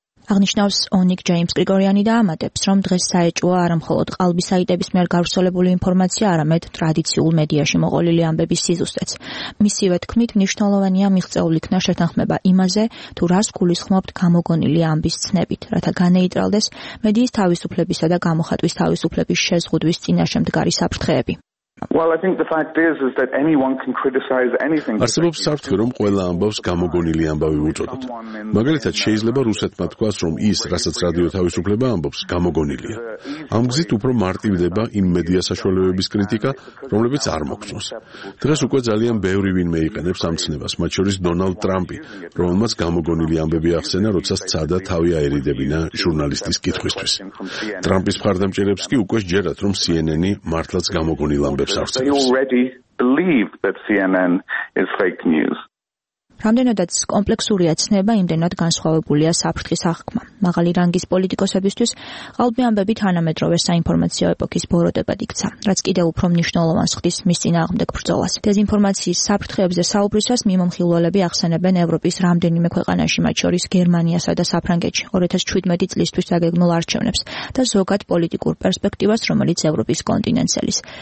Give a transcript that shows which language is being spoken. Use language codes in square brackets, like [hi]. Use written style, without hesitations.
[ka] აღნიშნავს ონიკ ჯეიმს გრიგორიანი და ამატებს, რომ დღეს საეჭოა არა მხოლოდ ყალბი საიტების მიერ გავრცელებული ინფორმაცია, არამედ ტრადიციულ მედიაში მოყოლილი ამბების სიზუსტეც. მისივე თქმით, მნიშვნელოვანია მიღწეულ იქნა შეთანხმება იმაზე, თუ რას გულისხმობთ გამოგონილი ამბის ცნებით, რათა განეიტრალდეს მედიის თავისუფლებისა და გამოხატვის თავისუფლების შეზღუდვის წინაშე მდგარი საფრთხეები. [en] Well, I think the fact is that anyone can criticize anything. [ka] არსებობს საფრთხე, რომ ყველა ამბავს გამოგონილი ამბავი უწოდოთ. მაგალითად, შეიძლება რუსეთმა თქვას, რომ ის, რასაც რადიო თავისუფლება ამბობს, გამოგონილია. ამ გზით უფრო მარტივდება იმ მედია საშუალებების კრიტიკა, რომლებიც არ მოგწონს. დღეს უკვე ძალიან ბევრი ვინმე იყენებს ამ ცნებას, მათ შორის დონალდ ტრამპი, რომელმაც გამოგონილი ამბები ახსენა, როცა სცადა თავი აერიდებინა ჟურნალისტის კითხვისთვის. ტრამპის მხარდამჭერებს კი უკვე სჯერათ, რომ CNN-ი მართლაც გამოგონილი ამბავი. [en] They already believe that CNN is fake news. [ka] რამდენადაც კომპლექსურია ცნება, იმდენად განსხვავებულია საფრთხის აღქმა. მაღალი რანგის პოლიტიკოსებისთვის ყალბი ამბები თანამედროვე საინფორმაციო ეპოქის ბოროტებად იქცა, რაც კიდევ უფრო მნიშვნელოვანს ხდის მის წინააღმდეგ ბრძოლას. დეზინფორმაციის საფრთხეებზე საუბრისას მიმომხილველები ახსენებენ ევროპის რამდენიმე ქვეყანაში, მათ შორის გერმანიასა და საფრანგეთში, 2017 წლისთვის დაგეგმილ არჩევნებს და ზოგად პოლიტიკურ პერსპექტივას, რომელიც ევროპის კონტინენტს ელის.